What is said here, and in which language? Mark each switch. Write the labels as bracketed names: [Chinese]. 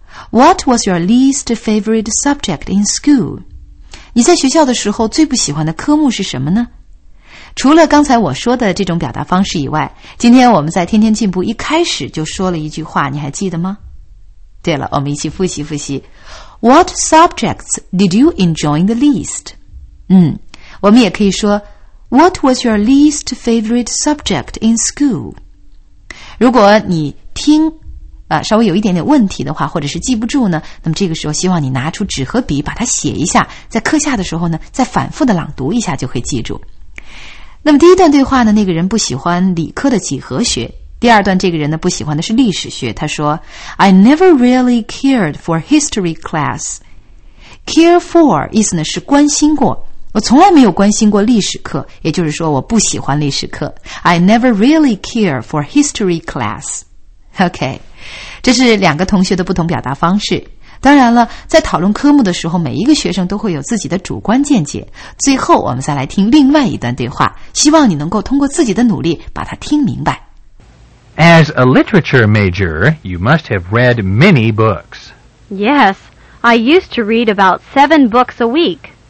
[English] What was your least favorite subject in school? [Chinese] 你在学校的时候最不喜欢的科目是什么呢？除了刚才我说的这种表达方式以外，今天我们在天天进步一开始就说了一句话，你还记得吗？对了，我们一起复习复习。 [English] What subjects did you enjoy the least? [Chinese] 我们也可以说 [English] What was your least favorite subject in school? [Chinese] 如果你听稍微有一点点问题的话，或者是记不住呢，那么这个时候希望你拿出纸和笔把它写一下，在课下的时候呢再反复的朗读一下就会记住。那么第一段对话呢，那个人不喜欢理科的几何学，第二段这个人呢不喜欢的是历史学，他说 [English] I never really cared for history classCare for [Chinese] 意思呢是关心过，我从来没有关心过历史课，也就是说我不喜欢历史课。 [English] I never really care for history class. [Chinese] OK, 这是两个同学的不同表达方式。当然了，在讨论科目的时候，每一个学生都会有自己的主观见解。最后我们再来听另外一段对话，希望你能够通过自己的努力把它听明白。 [English] As a literature major, you must have read many books. YesI used to read about 7 books a week.